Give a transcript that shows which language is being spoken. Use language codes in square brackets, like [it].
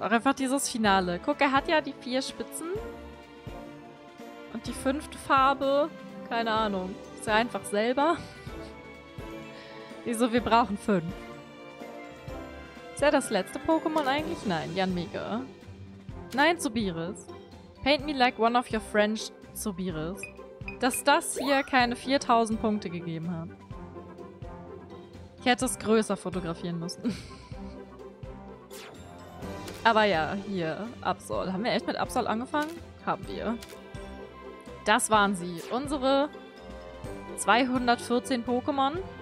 [de] Auch einfach dieses Finale. Guck, er hat ja die 4 Spitzen. Und die 5. Farbe. Keine Ahnung. Ist er einfach selber? Wieso, wir brauchen 5. Ist er das letzte Pokémon eigentlich? Nein, Yanmega. Nein, Zubiris. [en] Paint me like one of your French Zubiris. [de] Dass das hier keine 4000 Punkte gegeben hat. Ich hätte es größer fotografieren müssen. Aber ja, hier, Absol. Haben wir echt mit Absol angefangen? Haben wir. Das waren sie. Unsere 214 Pokémon.